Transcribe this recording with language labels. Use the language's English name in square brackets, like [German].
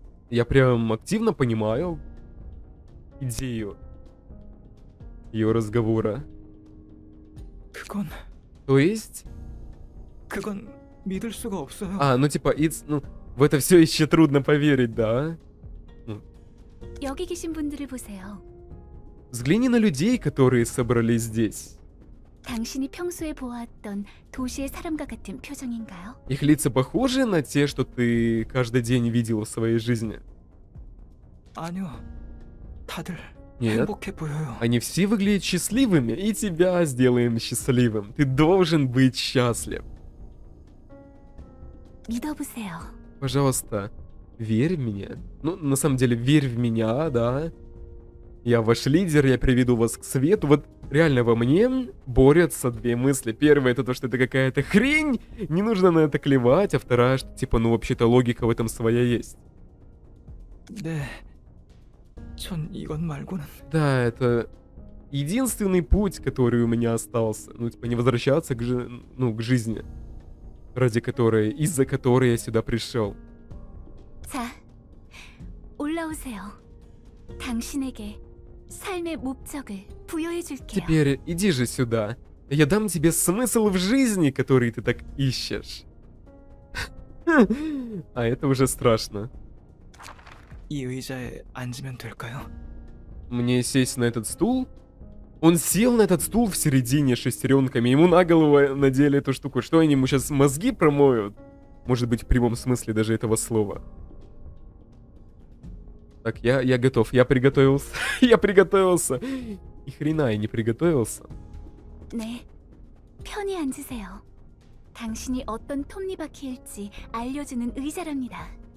[Russian] Я прям активно понимаю идею ее разговора. Как он? То есть? Как он... Мидл суга обсу. А, ну типа, it's... Ну, в это все еще трудно поверить, да? Здесь [Korean] 계신 분들을 보세요. [Russian] Взгляни на людей, которые собрались здесь. [Korean] 당신이 평소에 보았던 도시의 사람과 같은 표정인가요? [Russian] Их лица похожи на те, что ты каждый день видел в своей жизни? [Korean] 아니요. 다들 [Russian] Нет. [Korean] 행복해 보여요. [Russian] Они все выглядят счастливыми, и тебя сделаем счастливым. Ты должен быть счастлив. [Korean] 믿어보세요. [Russian] Пожалуйста, верь в меня. Ну, на самом деле, верь в меня, да. Я ваш лидер, я приведу вас к свету. Вот реально во мне борются две мысли. Первая — это то, что это какая-то хрень, не нужно на это клевать. А вторая, что типа, ну вообще-то логика в этом своя есть. Да, это единственный путь, который у меня остался. Ну, типа, не возвращаться к, ну, к жизни, ради которой, из-за которой я сюда пришел. [Korean] 자, 올라오세요. 당신에게 삶의 목적을 부여해 줄게요. [Russian] Теперь иди же сюда. Я дам тебе смысл в жизни, который ты так ищешь. А это уже страшно. [Korean] 이 의자에 앉으면 될까요? [Russian] Мне сесть на этот стул? Он сел на этот стул в середине шестеренками. Ему на голову надели эту штуку. Что они ему сейчас мозги промоют? Может быть, в прямом смысле даже этого слова. Так, я готов. Я приготовился. Я приготовился. Ни хрена я не приготовился. [Korean] 네. 편히 앉으세요. 당신이 어떤 톱니바퀴일지 알려주는 의자랍니다.